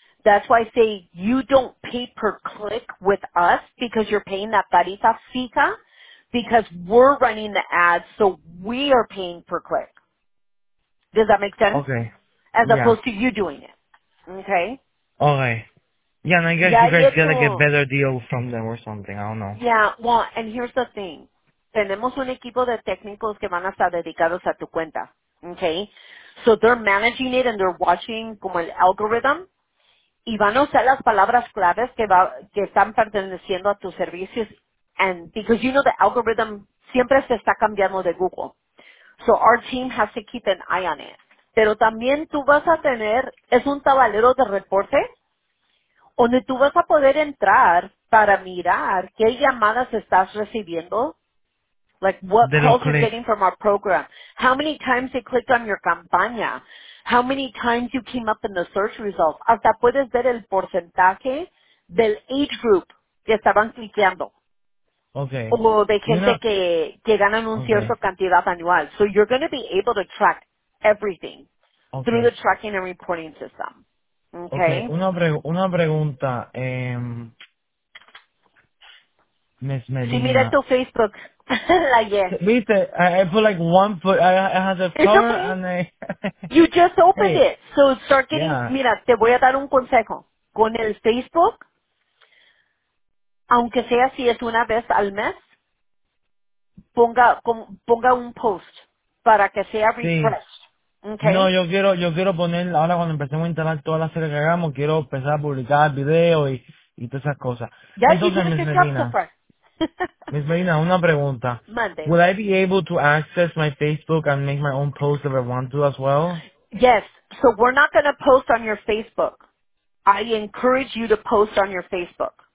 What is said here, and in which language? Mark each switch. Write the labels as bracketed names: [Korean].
[English] That's why I say you don't pay per click with us because you're paying that tarifa fija. Because we're running the ads, so we are paying per click. Does that make sense? Okay. As opposed to you doing it. Okay? Okay. Yeah, and I guess you guys get like a better deal from them or something. I don't know. Yeah, well, and here's the thing. [Spanish] Tenemos un equipo de técnicos que van a estar dedicados a tu cuenta. [English] Okay? So they're managing it and they're watching [Spanish] como el [English] algorithm. [Spanish] Y van a usar las palabras claves que están perteneciendo a tus servicios. [English] And because you know the algorithm [Spanish] siempre se está cambiando de Google. [English] So our team has to keep an eye on it. [Spanish] Pero también tú vas a tener, es un tablero de reporte donde tú vas a poder entrar para mirar qué llamadas estás recibiendo. [English] Like what calls you're getting from our program. How many times they clicked on your campaña. How many times you came up in the search results. [Spanish] Hasta puedes ver el porcentaje del [English] age group [Spanish] que estaban cliqueando. [English] Okay. [Spanish] O de gente que ganan un cierto cantidad anual. [English] So you're going to be able to track everything through the tracking and reporting system. Okay. [Spanish] Una pregunta. [English] Miss Medina. [Spanish] Si mira tu Facebook. Viste, [English] I put like 1 foot. I have a phone and I... You just opened it. So start getting... Yeah. [Spanish] Mira, te voy a dar un consejo. Con el Facebook... Aunque sea si es una vez al mes, ponga un post para que sea refreshed. [English] Okay. [Spanish] No, yo quiero poner, ahora cuando empecemos a instalar todas las series que hagamos, quiero empezar a publicar videos y todas esas cosas. Ya, entonces, Miss Medina, una pregunta. [English] Monday. Would I be able to access my Facebook and make my own post if I want to as well? Yes. So we're not going to post on your Facebook. I encourage you to post on your Facebook.